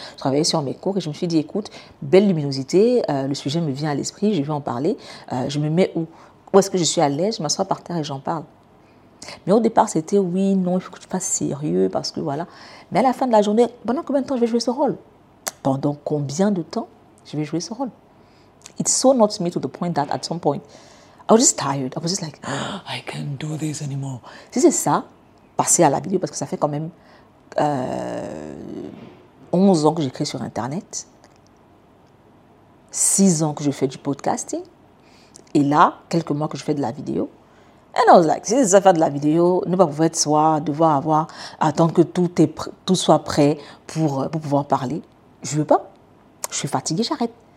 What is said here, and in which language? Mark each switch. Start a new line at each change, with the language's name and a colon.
French: Je travaillais sur mes cours et je me suis dit, écoute, belle luminosité. Le sujet me vient à l'esprit. Je veux en parler. Je me mets où? Où est-ce que je suis à l'aise? Je m'assois par terre et j'en parle. Mais au départ, c'était oui, non, il faut que tu fasses sérieux parce que voilà. Mais à la fin de la journée, pendant combien de temps je vais jouer ce rôle? Pendant combien de temps je vais jouer ce rôle?
English: It's so not me to the point that at some point, I was just tired. I was just like, oh, I can't do this anymore.
French: Si c'est ça, passez à la vidéo parce que ça fait quand même 11 ans que j'écris sur Internet, 6 ans que je fais du podcasting et là, quelques mois que je fais de la vidéo. Et
English: I was like,
French: si c'est ça faire de la vidéo, ne pas pouvoir être soi, devoir avoir, attendre que tout soit prêt pour pouvoir parler. Je ne veux pas. Je suis fatiguée, j'arrête.